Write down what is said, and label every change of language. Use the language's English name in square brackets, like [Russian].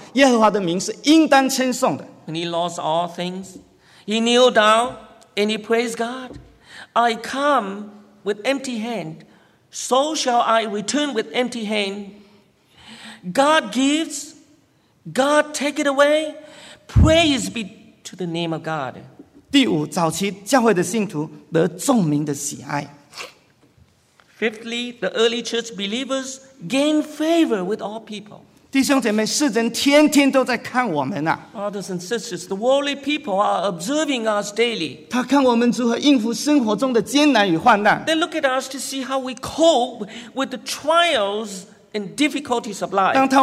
[Chinese] 但一切发生的时候，他跪下来敬拜神，赞美说：“我赐生出一母胎，也必赐生归回。赏赐的是耶和华，收取的也是耶和华。耶和华的名是应当称颂的。” [English] When he lost all things, he kneeled down and he praised God. I come with empty hand, so shall I return with empty hand. God gives, God take it away. Praise be to the name of God. [Chinese] 第五,早期教会的信徒得众民的喜爱。 [English] Fifthly, the early church believers gain favor with all people. [Chinese] 弟兄姐妹,世人天天都在看我们啊。 [English] Brothers and sisters, the worldly people are observing us daily. [Chinese] 他看我们如何应付生活中的艰难与患难。 [English] They look at us to see how we cope with the trials and difficulties of life.